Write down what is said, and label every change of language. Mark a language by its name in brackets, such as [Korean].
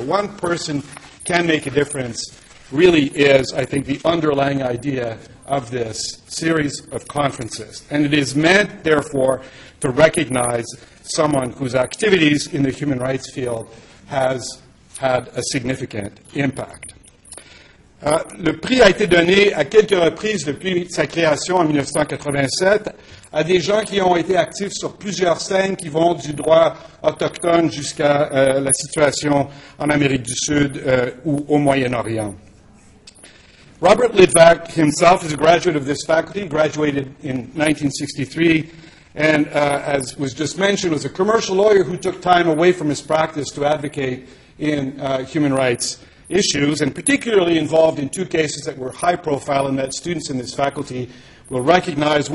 [English] One person can make a difference really is, I think, the underlying idea of this series of conferences. And it is meant, therefore, to recognize someone whose activities in the human rights field has had a significant impact. [French] Le prix a été donné à quelques reprises depuis sa création en 1987 à des gens qui ont été actifs sur plusieurs scènes qui vont du droit autochtone jusqu'à la situation en Amérique du Sud ou au Moyen-Orient. [English] Robert Litvak himself is a graduate of this faculty, graduated in 1963, and as was just mentioned, was a commercial lawyer who took time away from his practice to advocate in human rights issues, and particularly involved in two cases that were high profile and that students in this faculty will recognize.